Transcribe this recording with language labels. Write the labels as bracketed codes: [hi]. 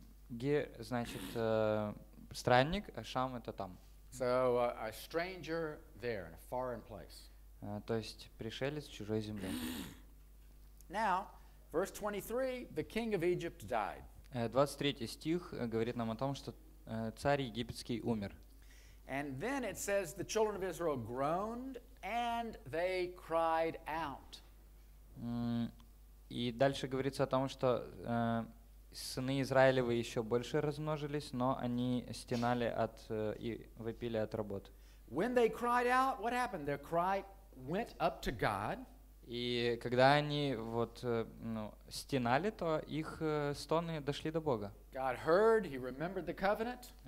[ru] Ger значит странник, а Шам это там. [en] So a stranger there, in a foreign place. [ru] То есть пришелец в чужой земле. [en] Now, verse 23, the king of Egypt died. [ru] 23 стих говорит нам о том, что царь египетский умер. [en] And then it says the children of Israel groaned and they cried out. [ru] И дальше говорится о том, что сыны Израилевы еще больше размножились, но они стенали от и вопили от работ. [en] When they cried out, what happened? Their cry went up to God. [ru] И когда они вот стенали, то их стоны дошли до Бога. [en] God heard, he remembered the covenant.